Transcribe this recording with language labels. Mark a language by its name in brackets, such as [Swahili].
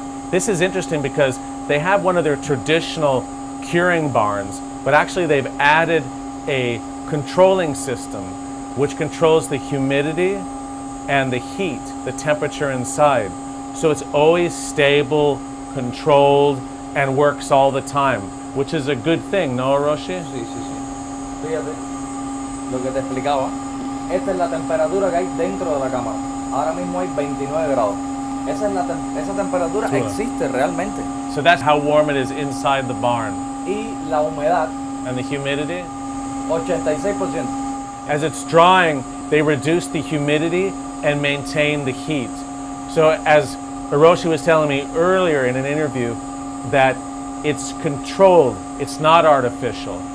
[English] This is interesting because they have one of their traditional curing barns, but actually they've added a controlling system which controls the humidity and the heat, the temperature inside. So it's always stable, controlled, and works all the time, which is a good thing, no, Roshi? [Spanish] Sí, sí, sí. Fíjate, lo que te explicaba. Esta es la temperatura que hay dentro de la cámara. Ahora mismo hay 29 grados. Esa es la esa temperatura cool. Existe realmente. [English] So that's how warm it is inside the barn. [Spanish] Y la humedad. [English] And the humidity? 86%. As it's drying, they reduce the humidity and maintain the heat. So as Hiroshi was telling me earlier in an interview, that it's controlled, it's not artificial.